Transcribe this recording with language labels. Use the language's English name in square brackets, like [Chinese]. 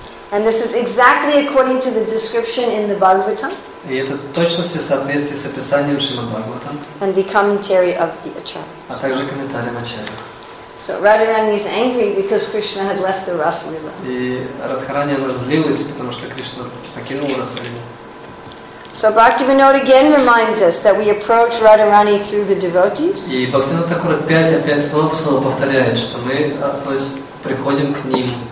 [English] And this is exactly according to the description in the Bhagavatam. [Russian] И это точно в соответствии с описанием Шримад Бхагаватам. [English] And the commentary of the Acharya. [Russian] А также комментарием Ачарьи. [English] So Radharani is angry because Krishna had left the Rasalila. [Russian] И Радхарани она злилась, потому что Кришна покинул Расалилу. [English] So Bhaktivinoda again reminds us that we approach Radharani through the devotees. [Russian] И Бхактивинода Такура опять снова повторяет, что мы приходим к ним.